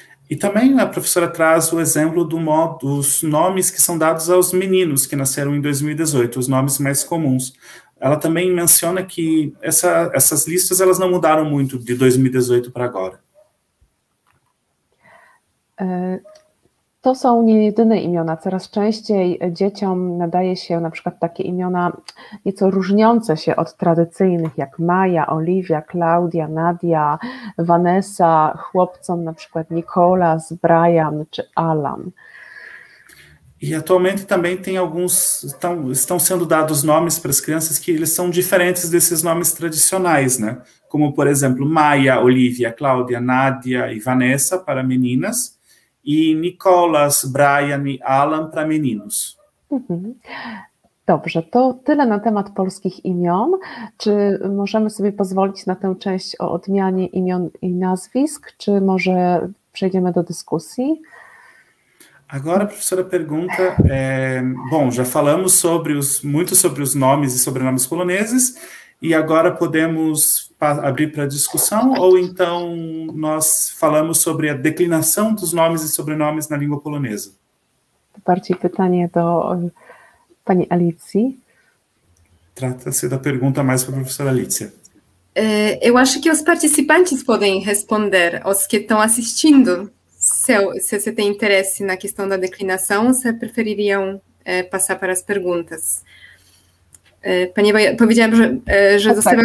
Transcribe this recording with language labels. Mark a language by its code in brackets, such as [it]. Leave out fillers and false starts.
[pt] I também a professora traz o exemplo dos nomes que são dados aos meninos que nasceram em 2018, os nomes mais comuns. Ela também menciona que essas listas elas não mudaram muito de 2018 para agora. [pl] To są nie jedyne imiona. Coraz częściej dzieciom nadaje się na przykład takie imiona nieco różniące się od tradycyjnych, jak Maja, Oliwia, Klaudia, Nadia, Vanessa, chłopcom na przykład Nicolas, Brian czy Alan. [pt] I atualmente também tem alguns, estão sendo dados nomes para as crianças que eles são diferentes desses nomes tradicionais, né? Como por exemplo Maja, Oliwia, Klaudia, Nadia i Vanessa para meninas. I Nicolas, Brian i Alan para meninos. [pl] Dobrze, to tyle na temat polskich imion. Czy możemy sobie pozwolić na tę część o odmianie imion i nazwisk? Czy może przejdziemy do dyskusji? [pt] Agora, a professora pergunta, bom, já falamos muito sobre os nomes e sobrenomes poloneses, e agora podemos abrir para discussão, ou então nós falamos sobre a declinação dos nomes e sobrenomes na língua polonesa? [pl] Bardziej pytanie do pani Alicji. [pt] Trata-se da pergunta mais para a professora Alicja. Eu acho que os participantes podem responder, os que estão assistindo. Se você tem interesse na questão da declinação, você preferiria passar para as perguntas. [pl] Pani, powiedziałam, że zostawiam...